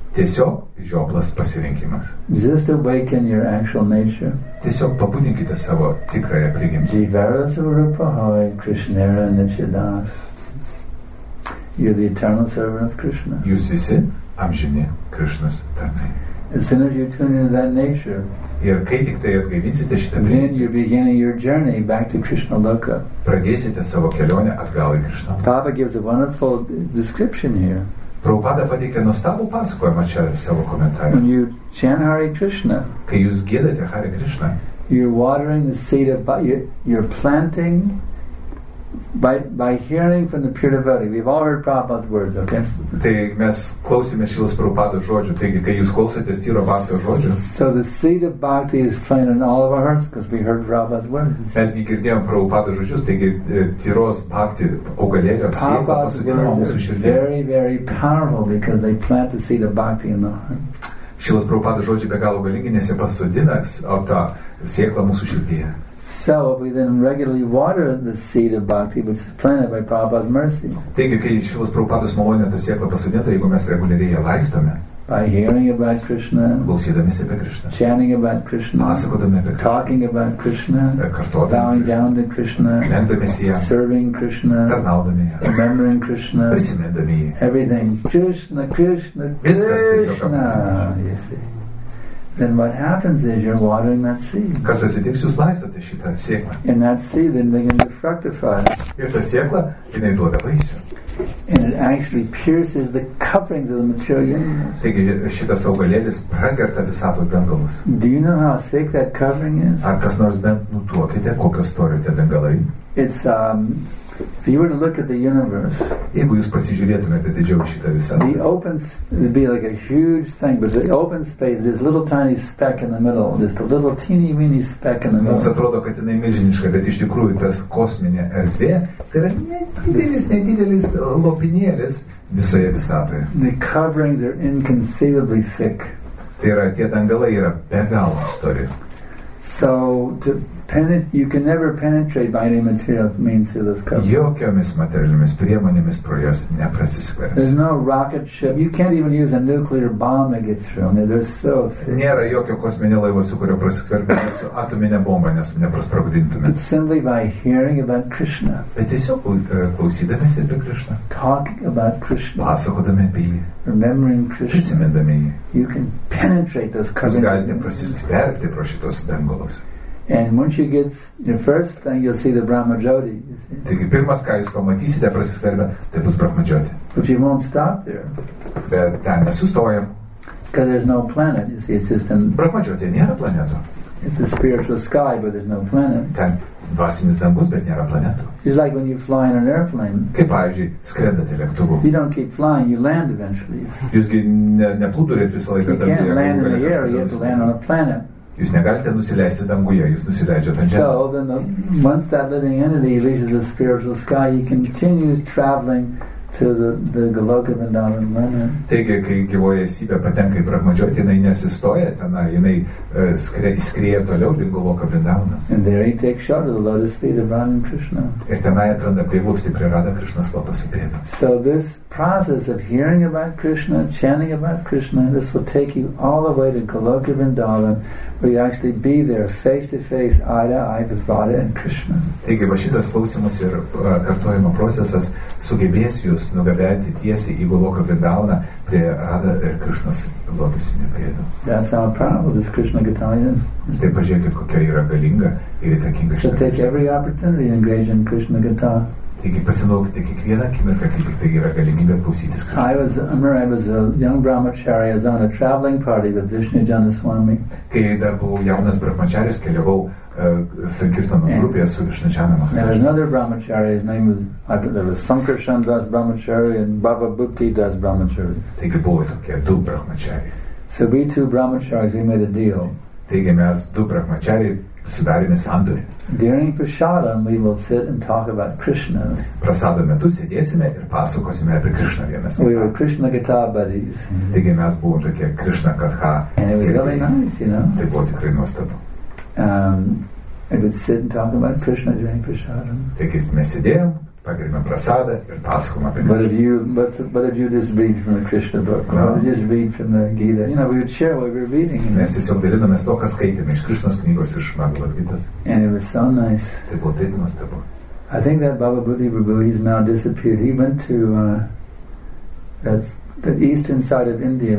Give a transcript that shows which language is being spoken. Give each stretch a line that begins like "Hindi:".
Lithuanian: Tiesiog žioblas pasirinkimas.
English: Just awaken your actual nature.
Lithuanian: Tiesiog pabudinkite savo tikrąją prigimtį.
Bangla: Jivaras Rupahoi, Krishnera Nityadas.
English: You're the eternal servant of Krishna.
Lithuanian: Jūs visi amžini Krishnas tarnai.
English: As soon as you tune into that nature,
Lithuanian: ir kai tik tai atgaivinsite šitą
English: prigimtį, then you're beginning your journey back to Krishna Loka.
Lithuanian: Pradėsite savo kelionę atgal į Krishna.
English: Prabhupada gives a wonderful description here.
Lithuanian: Prabhupada pateikė nuostabų pasakojimą čia savo komentare.
English: When you chant Hare Krishna,
Lithuanian: kai jūs giedate Hare Krishna,
English: you're watering the seed of you're planting By hearing from the pure devotee, we've all heard Prabhupada's words, okay?
Lithuanian: Tai mes klausėmės Šrilos Prabhupados žodžių. Taigi, kai jūs klausotės tyro bhakti žodžių.
English: So the seed of bhakti is planted in all of our hearts because we heard Prabhupada's words.
Lithuanian: Mes gi girdėjom Prabhupados žodžius, taigi tyros bhakti augalėlio sėkla pasodinama mūsų širdyje.
English: Very, very powerful because they plant the seed of bhakti in the heart.
Lithuanian: Šrilos Prabhupados žodžiai be galo galingi, nes jie pasodina tą sėklą mūsų širdyje.
English: So we then regularly water the seed of bhakti, which is planted by Prabhupada's mercy.
Lithuanian: Taigi, kai Šrilos Prabhupados malonė tą sėklą pasodinta, jeigu mes reguliariai ją laistome.
English: By hearing about Krishna.
Lithuanian: Klausydamiesi apie Krishna.
English: Chanting about Krishna.
Lithuanian: Pasakodami apie
English: Krishna. Talking about Krishna.
Lithuanian: Kartodami
English: Krishna. Bowing down to Krishna.
Lithuanian: Lenkdamiesi ją.
English: Serving Krishna.
Lithuanian: Tarnaudami
English: ją. Remembering Krishna.
Lithuanian: Prisimindami ją.
English: Everything. Krishna, Krishna, Krishna.
Lithuanian: Viskas tiesiog apie Krishna.
English: You see. Then what happens is you're watering that seed.
Lithuanian: Kas atsitiks, jūs laistote šitą sėklą.
English: And that seed then begins to fructify.
Lithuanian: Ir ta sėkla, jinai duoda vaisių.
English: And it actually pierces the coverings of the material universe.
Lithuanian: Taigi, šitas augalėlis prakerta visatos dangalus.
English: Do you know how thick that covering is?
Lithuanian: Ar kas nors bent nutuokite, kokio storio tie dangalai?
English: It's, if you were to look at the universe,
Lithuanian: jeigu jūs pasižiūrėtumėte didžiau šitą visatą,
English: the open, it'd be like a huge thing, but the open space, there's a little tiny speck in the middle, just a little teeny weeny speck in the middle.
Lithuanian: Mums atrodo, kad jinai milžiniška, bet iš tikrųjų tas kosminė erdvė, tai yra nedidelis, nedidelis lopinėlis visoje visatoje.
English: The coverings are inconceivably thick.
Lithuanian: Tai yra, tie dangalai yra be galo stori.
English: So to you can never penetrate by any material means through those covers.
Lithuanian: Jokiomis materialiomis priemonėmis pro jas neprasiskverbs.
English: There's no rocket ship. You can't even use a nuclear bomb to get through. They're so thin.
Lithuanian: Nėra jokio kosminio laivo, su kurio prasiskverbtume, su atomine bomba, nes neprasprogdintume.
English: But simply by hearing about Krishna.
Lithuanian: Bet tiesiog klausydamiesi apie Krishna.
English: Talking about Krishna.
Lithuanian: Pasakodami apie jį.
English: Remembering Krishna.
Lithuanian: Prisimindami jį.
English: You can penetrate those covers.
Lithuanian: Jūs galite prasiskverbti pro šitos dangalus.
English: And once you get your first thing, you'll see the Brahma Jyoti.
Lithuanian: Taigi pirmas, ką jūs pamatysite, prasiskverbę, tai bus Brahma Jyoti.
English: But you won't stop there.
Lithuanian: Bet ten nesustojam.
English: Because there's no planet, you see, it's just in...
Lithuanian: Brahma Jyoti nėra planeto.
English: It's a spiritual sky, but there's no planet.
Lithuanian: Ten dvasinis dangus, bet nėra planeto.
English: It's like when you fly in an airplane.
Lithuanian: Kaip, pavyzdžiui, skrendate lėktuvu.
English: You don't keep flying, you land eventually.
Lithuanian: Jūsgi neplūduriat visą laiką.
English: So you can't land in the air, you have to land on a planet.
Lithuanian: Jūs negalite nusileisti danguje, jūs nusileidžiate ant žemės.
English: So then once that living entity reaches the spiritual sky, he continues traveling to the Goloka Vrindavan planet.
Lithuanian: Taigi, kai gyvoji esybė patenka į Brahma Jyoti, jinai nesistoja tenai, jinai skrieja toliau link Goloka Vrindavanas.
English: And there he takes shelter the lotus feet of Radha Krishna.
Lithuanian: Ir tenai atranda prieglobstį prie Radha Krishnas lotosų pėdų.
English: So this process of hearing about Krishna, chanting about Krishna, this will take you all the way to Goloka Vrindavan, where you actually be there face to face, eye to eye with Radha and Krishna.
Lithuanian: Taigi, va šitas klausimas ir kartojimo procesas sugebės jūs nugabėti tiesiai į Goloka Vrindavaną prie Radha ir Krishnas lotusinių pėdų.
English: That's our problem, this Krishna Gitalia.
Lithuanian: Tai pažiūrėkit, kokia yra galinga ir įtakinga.
English: So take every opportunity and engage in Krishna Gita.
Lithuanian: Taigi pasinaukite kiekvieną akimirką, kai tik tai yra galimybė klausytis Krishna.
English: I was a young brahmachari, I was on a traveling party with Vishnu Janaswami.
Lithuanian: Kai dar buvau jaunas brahmacharis, keliavau sankirtano grupėje su Vishnu Janama.
English: There was another brahmachari, his name was, there was Sankarshan Das Brahmachari and Baba Bhutti Das Brahmachari.
Lithuanian: Taigi buvo tokie du brahmachari.
English: So we two brahmacharis, we made a deal.
Lithuanian: Taigi mes du brahmachari sudarėme sandorį.
English: During prasadam we will sit and talk about Krishna.
Lithuanian: Prasado metu sėdėsime ir pasakosime apie Krishna vienas.
English: We were Krishna Katha buddies.
Lithuanian: Taigi mes buvome tokie Krishna Katha.
English: And it was really nice, you know.
Lithuanian: Tai buvo tikrai nuostabu.
English: We would sit and talk about Krishna during prasadam.
Lithuanian: Taigi mes sėdėjom, pagerbėm prasadą ir pasakom apie Krishna.
English: But if you just read from the Krishna book, no. Or just read from the Gita, you know, we would share what we were reading. You know?
Lithuanian: Mes tiesiog dalinomės to, ką skaitėme iš Krishnos knygos, iš Bhagavad Gita.
English: And it was so nice.
Lithuanian: Tai buvo taip nuostabu.
English: I think that Baba Bhutti Prabhu, he's now disappeared. He went to the eastern side of India.